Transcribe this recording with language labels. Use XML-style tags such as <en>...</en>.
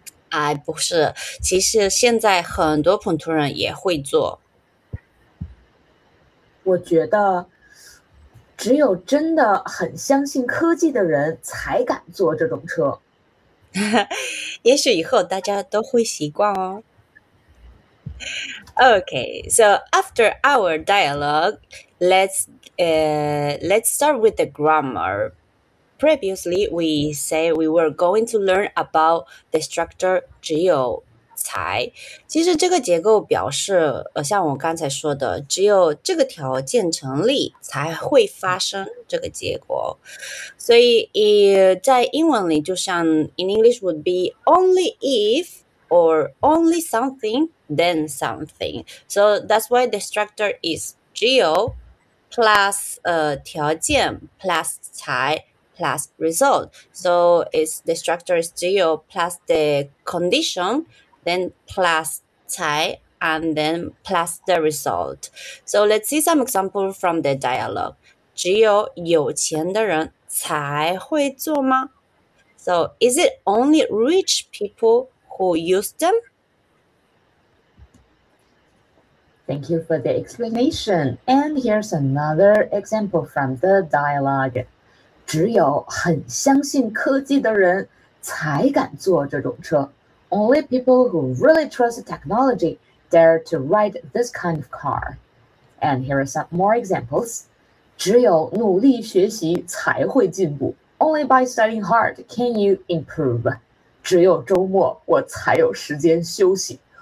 <zh>哎，不是，其实现在很多普通人也会坐。我觉得，只有真的很相信科技的人才敢坐这种车。也许以后大家都会习惯哦。</zh> <en>Okay, so after our dialogue, let's start with the grammar. Previously, we say we were going to learn about the structure 只有才。</en> <zh>其实这个结构表示，像我刚才说的，只有这个条件成立才会发生这个结果。所以，在英文里，就像</zh> <en>in English would be only if or only something then something. So that's why the structure is 只有 plus 条件 plus 才 plus result. So it's the structure is 只有 plus the condition, then plus 才 and then plus the result. So let's see some example from the dialogue.</en> <zh>只有有钱的人才会做吗？</zh> <en>So is it only rich people who use them? Thank you for the explanation. And here's another example from the dialogue.</en> <zh>只有很相信科技的人才敢坐这种车。</zh> <en>Only people who really trust technology dare to ride this kind of car. And here are some more examples.</en> <zh>只有努力学习才会进步。</zh> <en>Only by studying hard can you improve.</en> <zh>只有周末我才有时间休息。</zh>